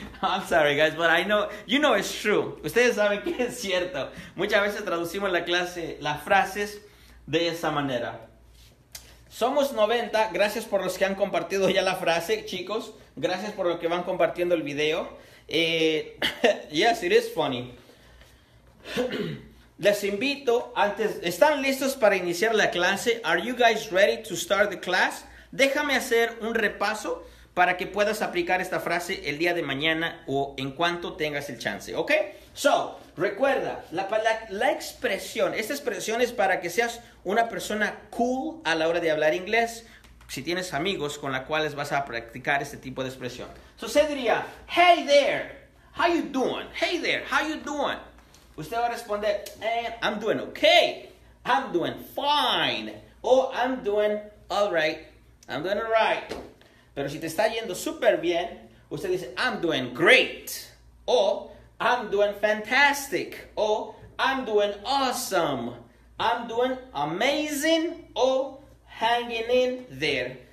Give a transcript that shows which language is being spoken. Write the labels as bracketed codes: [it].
[en] I'm sorry, guys, but I know, you know it's true. [es] Ustedes saben que es cierto. Muchas veces traducimos la clase, las frases de esa manera. Somos 90. Gracias por los que han compartido ya la frase, chicos. Gracias por los que van compartiendo el video. [en] Yes, it is funny. [es] Les invito antes. ¿Están listos para iniciar la clase? [en] Are you guys ready to start the class? [es] Déjame hacer un repaso para que puedas aplicar esta frase el día de mañana o en cuanto tengas el chance, ¿ok? So, recuerda, la expresión, esta expresión es para que seas una persona cool a la hora de hablar inglés, si tienes amigos con los cuales vas a practicar este tipo de expresión. [en] So, [es] se diría, [en] hey there, how you doing? Hey there, how you doing? [es] Usted va a responder, [en] I'm doing okay, I'm doing fine, o I'm doing all right, I'm doing all right. [es] Pero si te está yendo súper bien, usted dice, [en] I'm doing great, o I'm doing fantastic, o I'm doing awesome, I'm doing amazing, o hanging in there.